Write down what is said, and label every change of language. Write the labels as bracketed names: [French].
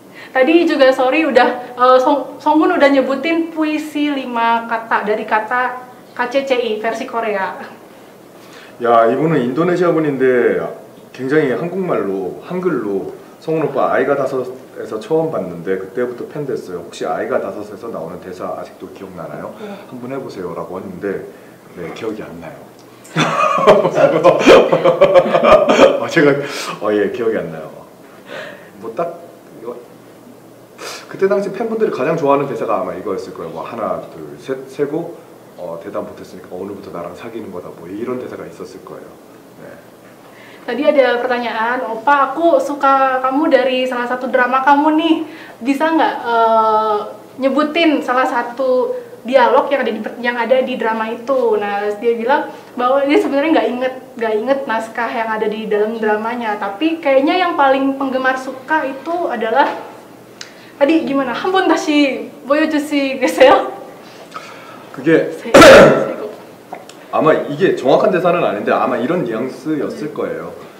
[Indonesian] Tadi juga sorry udah Songun udah nyebutin puisi 5 kata dari kata KCCI versi Korea. [Korean] 야, 이분은 인도네시아 분인데 굉장히 한국말로 한글로 성훈 오빠 아이가 다섯에서 처음 봤는데 그때부터 팬 됐어요. 혹시 아이가 다섯에서 나오는 대사 아직도 기억나나요? 한번 해보세요라고 했는데 네, 기억이 안 나요. 아, 제가 예 기억이 안 나요. 뭐 딱 그때 당시 팬분들이 가장 좋아하는 대사가 아마 이거였을 거예요. 뭐 하나 둘 셋 세고 대답 못했으니까 오늘부터 나랑 사귀는 거다 뭐 이런 대사가 있었을 거예요. 네. [Indonesian] Tadi ada pertanyaan, Opa, aku suka kamu dari salah satu drama kamu nih. Bisa nggak nyebutin salah satu dialog yang ada di drama itu? Nah, dia bilang bahwa dia sebenarnya nggak inget naskah yang ada di dalam dramanya. Tapi kayaknya yang paling penggemar suka itu adalah tadi gimana? Hampun tashi boyo jusi geseo? [Korean] 그게 아마 이게 정확한 대사는 아닌데 아마 이런 뉘앙스였을 거예요.